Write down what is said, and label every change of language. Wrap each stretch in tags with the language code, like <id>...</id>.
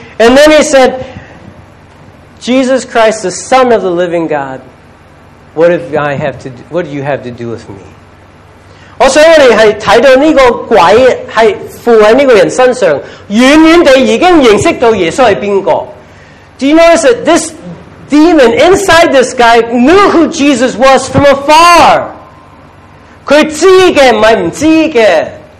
<en>And then he said, Jesus Christ, the Son of the living God, what do you have to do with me?</en> <yue>我想我们是看到这个鬼是附在这个人身上，远远地已经认识到耶稣是谁。</yue> <en>Do you notice that this demon inside this guy knew who Jesus was from afar?</en> <yue>他知道的，不是不知道的。</yue>